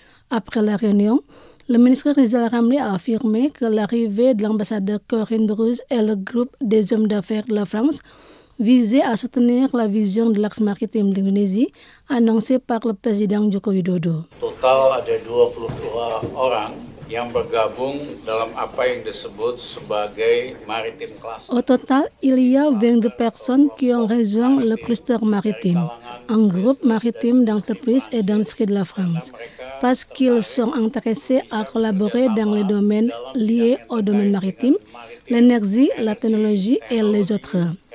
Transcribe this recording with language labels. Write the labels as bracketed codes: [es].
[fr] Après la réunion, le ministre Rizal Ramli a affirmé que l'arrivée de l'ambassadeur Corinne Druze et le groupe des hommes d'affaires de la France visait à soutenir la vision de l'axe maritime d'Indonésie annoncée par le président Joko Widodo. [id] Total, ada 23 orang yang bergabung dalam apa yang disebut sebagai maritim cluster. [fr] Au total, il y a 22 personnes qui ont rejoint le cluster maritime, un groupe maritime d'entreprises et d'industries de la France, parce qu'ils sont intéressés à collaborer dans les domaines liés au domaine maritime, l'énergie, la technologie et les autres.